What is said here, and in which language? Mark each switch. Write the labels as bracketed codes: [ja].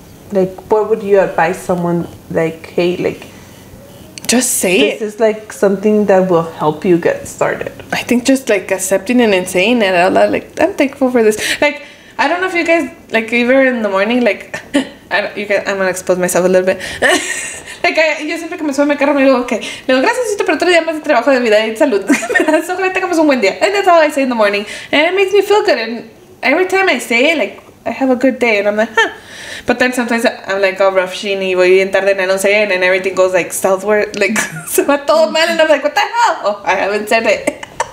[en] Like, what would you advise someone, like, hey, like, just say this it. This is, like, something that will help you get started. I think just, like, accepting it and saying it out loud, like, I'm thankful for this. Like, I don't know if you guys, like, even in the morning, like, I'm gonna expose myself a little bit. Like, [es] yo siempre que me subo a mi carro me digo, okay, le digo, gracias, Cito, pero otro día más de trabajo, de vida y salud. [en] So, [es] que tengamos un buen día. [en] And that's all I say in the morning. And it makes me feel good. And every time I say it, like, I have a good day. And I'm like, huh. But then sometimes I'm like, oh, rough, shiny, [es] voy bien tarde, no sé, [en] and then everything goes like southward, like, [es] se va todo mal, [en] and I'm like, what the hell? Oh, I haven't said it.